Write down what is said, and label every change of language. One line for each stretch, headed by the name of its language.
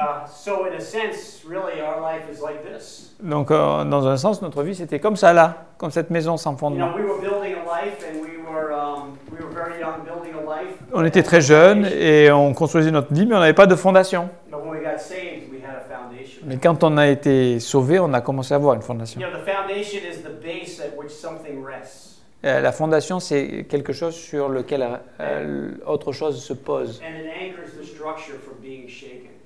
English: So in a sense, really, our life is like this.
French: Donc, dans un sens, notre vie, c'était comme ça, là, comme cette maison sans fondement.
English: You know, we were building a life and we were very young, building a life.
French: On était très jeunes et on construisait notre vie, mais on n'avait pas de fondation.
English: But when we got saved, we had a foundation.
French: Mais quand on a été sauvés, on a commencé à avoir une fondation.
English: You know, the foundation is the base at which something rests.
French: La fondation, c'est quelque chose sur lequel autre chose se pose.
English: And it anchors the structure from being shaken.